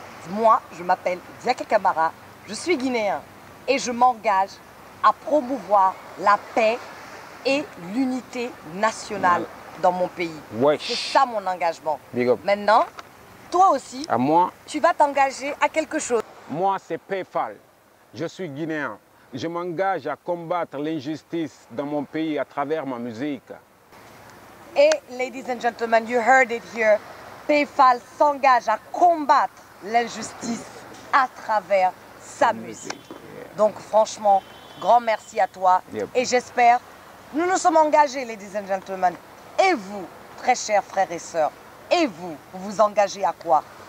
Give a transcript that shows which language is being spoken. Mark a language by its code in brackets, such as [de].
[fr] Moi, je m'appelle Diaka Camara, je suis guinéen et je m'engage à promouvoir la paix et l'unité nationale dans mon pays. C'est ça mon engagement. [en] Big up. [fr] Maintenant, toi aussi, à moi, tu vas t'engager à quelque chose. Moi, c'est PayPal. Je suis guinéen. Je m'engage à combattre l'injustice dans mon pays à travers ma musique. [en] Et, ladies and gentlemen, you heard it here. [fr] PayPal s'engage à combattre l'injustice à travers sa musique. Donc, franchement, grand merci à toi. Et j'espère, nous nous sommes engagés, [en] ladies and gentlemen. [fr] Et vous, très chers frères et sœurs, et vous, vous vous engagez à quoi?